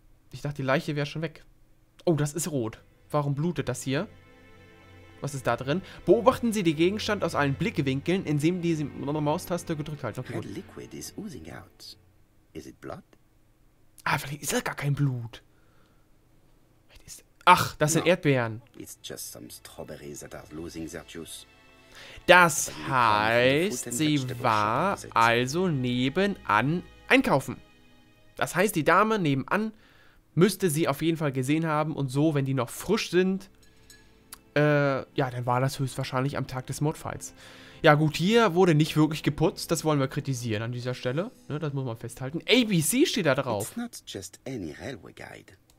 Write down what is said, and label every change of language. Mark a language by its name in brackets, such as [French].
[German] Ich dachte, die Leiche wäre schon weg. Oh, das ist rot. Warum blutet das hier? Was ist da drin? Beobachten Sie den Gegenstand aus allen Blickwinkeln, indem Sie die Maustaste gedrückt halten. [English] Okay, [German] gut. [English] Liquid is oozing out. Is it blood? [German] Ah, vielleicht ist das gar kein Blut. Ach, das sind Erdbeeren. [English] It's just some strawberries that are losing their juice. [German] Das heißt, sie war also nebenan einkaufen. Das heißt, die Dame nebenan müsste sie auf jeden Fall gesehen haben und so, wenn die noch frisch sind... ja, dann war das höchstwahrscheinlich am Tag des Mordfalls. Ja gut, hier wurde nicht wirklich geputzt. Das wollen wir kritisieren an dieser Stelle. Ne, das muss man festhalten. ABC steht da drauf. [English] It's not just any railway guide.